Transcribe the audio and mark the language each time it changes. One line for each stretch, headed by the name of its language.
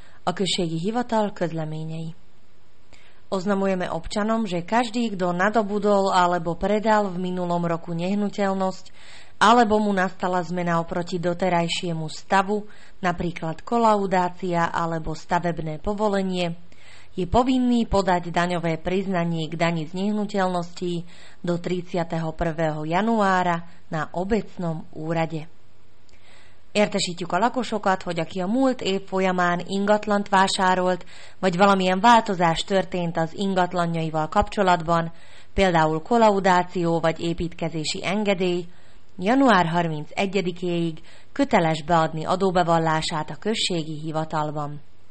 Hungarian: Okresnej hivatal közleményei.
Slovak: Oznamujeme občanom, že každý, kto nadobudol alebo predal v minulom roku nehnuteľnosť, alebo mu nastala zmena oproti doterajšiemu stavu, napríklad kolaudácia alebo stavebné povolenie, je povinný podať daňové priznanie k dani z nehnuteľností do 31. januára na obecnom úrade.
Hungarian: Értesítjük a lakosokat, hogy aki a múlt év folyamán ingatlant vásárolt, vagy valamilyen változás történt az ingatlanjaival kapcsolatban, például kolaudáció vagy építkezési engedély, január 31-éig köteles beadni adóbevallását a községi hivatalban.